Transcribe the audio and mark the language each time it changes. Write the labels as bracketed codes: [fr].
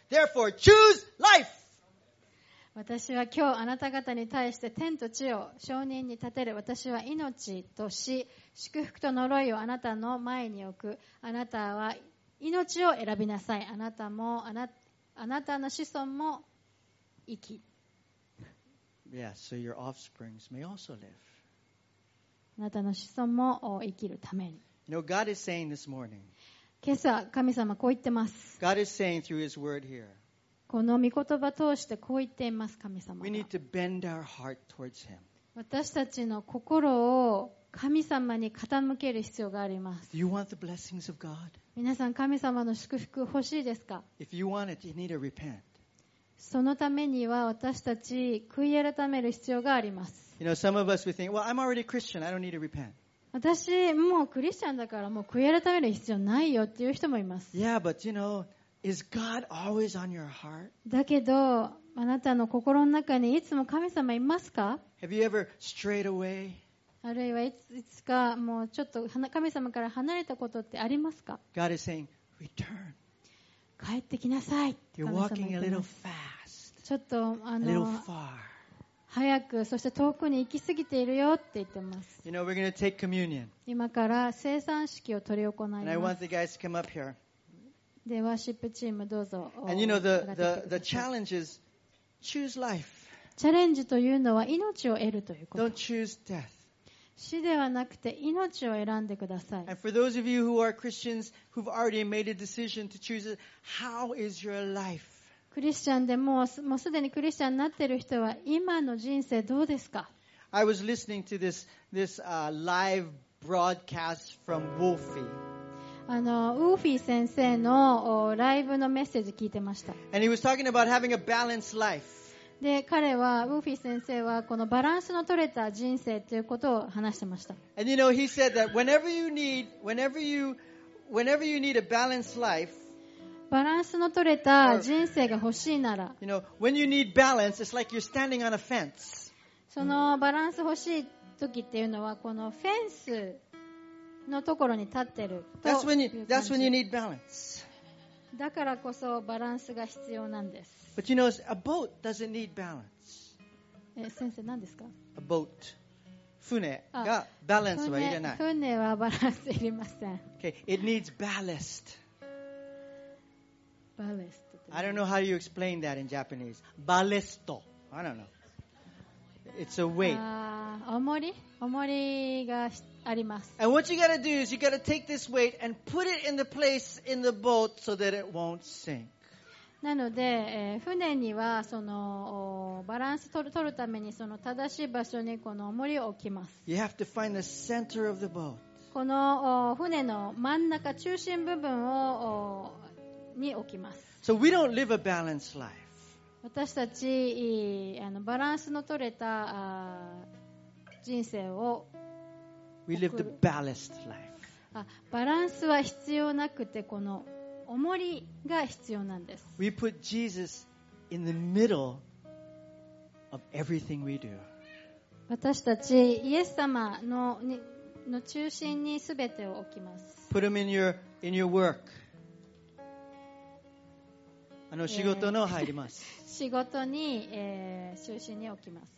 [en] Therefore, choose life! [ja] 私は今日あなた方に対して天と地を証人に立てる。私は命と死、祝福と呪いをあなたの前に置く。あなたは命を選びなさい。あなたもあなたあなたの子孫も生き。 [en] Yeah, so your offsprings may also live. [ja] あなたの子孫も生きるために。 [en] You know, God is saying this morning. [ja] 今朝、神様こう言ってます。 [en] God is saying through His word here. [ja] この御言葉を通してこう言っています、神様。 [en] We need to bend our heart towards him. [ja] 私たちの心を神様に傾ける必要があります。 [en] Do you want the blessings of God? [ja] 皆さん、神様の祝福欲しいですか? [en] If you want it, you need to repent. [ja] そのためには私たち悔い改める必要があります。 [en] You know, some of us we think, well, I'm already Christian. I don't need to repent. [ja] 私もうクリスチャンだからもう悔い改める必要ないよっていう人もいます。 [en] Yeah, but you know. Is God always on your heart? [ja] だけどあなたの心の中にいつも神様いますか? [en] Have you ever strayed away? [ja] あるいはいつかもうちょっと神様から離れたことってありますか? [en] God is saying, return. [ja] 帰ってきなさい。 [en] You're walking a little fast. [ja] ちょっと [en] little far. [ja] 早くそして遠くに行き過ぎているよって言ってます。 [en] You know, we're going to take communion. [ja] 今から聖餐式を執り行います。 [en] And I want the guys to come up here. [ja] でワーシップチームどうぞ。 [en] And you know the challenge is choose life. [ja] チャレンジというのは命を得るということ。 [en] Don't choose death. [ja] 死ではなくて命を選んでください。 [en] And for those of you who are Christians who've already made a decision to choose it, how is your life? [ja] クリスチャンでもうすでにクリスチャンになっている人は今の人生どうですか? [en] I was listening to this live broadcast from Wolfie. [ja] ウーフィー先生のライブのメッセージ聞いてました。 [en] And he was talking about having a balanced life. [ja] で、彼は、ウーフィー先生はこのバランスの取れた人生ということを話してました。 [en] And you know, he said that whenever you need a balanced life, [ja] バランスの取れた人生が欲しいなら、 [en] you know, when you need balance, it's like you're standing on a fence. [ja] そのバランス欲しい時っていうのは、このフェンス、のところに立ってる。 [en] That's when you need balance. [ja] だからこそバランスが必要なんです。 [en] But you know, a boat doesn't need balance. [ja] 先生、何ですか? [en] A boat. [ja] 船がバランスはいらない。船はバランスいりません。 [en] Okay, it needs ballast. Ballast. I don't know how you explain that in Japanese. Ballasto. I don't know. It's a weight. [ja] 重りがあります。 [en] And what you gotta do is you gotta take this weight and put it in the place in the boat so that it won't sink. [ja] なので、船にはそのバランス取るためにその正しい場所にこの重りを置きます。 [en] You have to find the center of the boat. [ja] この船の真ん中中心部分をに置きます。 [en] So we don't live a balanced life. [ja] 私たちバランスの取れた人生を [en] We live the balanced life. [ja] バランスは必要なくてこの重りが必要なんです。 [en] We put Jesus in the middle of everything we do. [ja] 私たちイエス様の中心に全てを置きます。 [en] Put him in your work. [ja] 仕事の入ります。仕事に、中心に置きます。